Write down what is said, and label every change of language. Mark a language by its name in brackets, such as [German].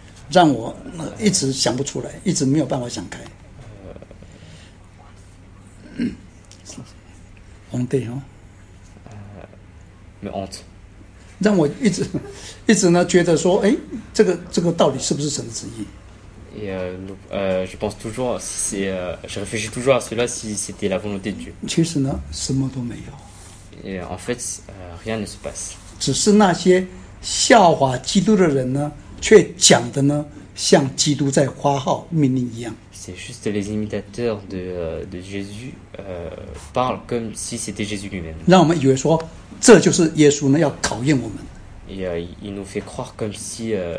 [Chinese] 让我一直想不出来，一直没有办法想开。红灯哦，没红灯。让我一直呢，觉得说，哎，这个到底是不是神的旨意 [French] ？Je pense toujours, je réfléchis toujours à cela si c'était la volonté de Dieu. [Chinese] 其实呢，什么都没有。 [French] Et en fait, rien ne se passe. [Chinese] 只是那些笑话基督的人呢。却讲的呢，像基督在发号命令一样。 [French] C'est juste les imitateurs de Jésus parlent comme si c'était Jésus lui-même. [Chinese] 让我们以为说，这就是耶稣呢要考验我们。 [French] Et il nous fait croire comme si